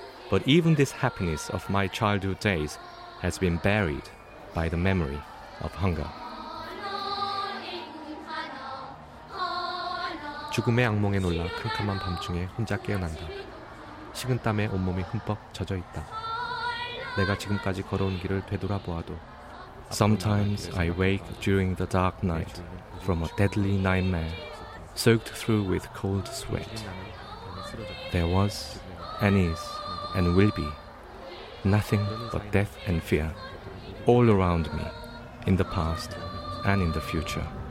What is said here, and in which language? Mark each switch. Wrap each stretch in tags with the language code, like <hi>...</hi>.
<en>But even this happiness of my childhood days has been buried by the memory of hunger.</en> <ko>죽음의 악몽에 놀라 캄캄한 밤중에 혼자 깨어난다. 식은 땀에 온몸이 흠뻑 젖어있다. 내가 지금까지 걸어온 길을 되돌아보아도</ko> <en>Sometimes I wake during the dark night from a deadly nightmare soaked through with cold sweat. There was, and is, and will be nothing but death and fear all around me in the past and in the future.</en>